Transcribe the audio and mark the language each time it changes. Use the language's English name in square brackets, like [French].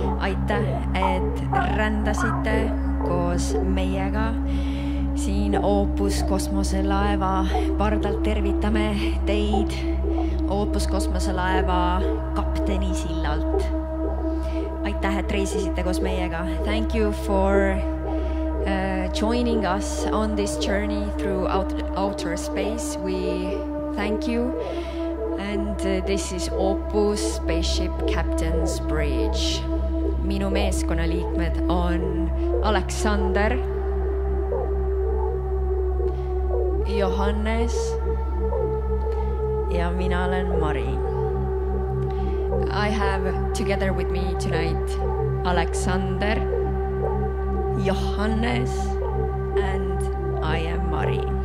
[Estonian] Aitäh, et rändasite koos meiega. Siin Opus kosmose laeva pardalt tervitame teid Opus kosmose laeva kapteni sillalt. Aitäh, et reisisite koos meiega. [English] Thank you for joining us on this journey through outer space. We thank you. And this is Opus Spaceship Captain's Bridge. [Estonian] Minu meeskonna liikmed on Alexander, Johannes ja mina olen Mari. [English] I have together with me tonight Alexander, Johannes and I am Mari.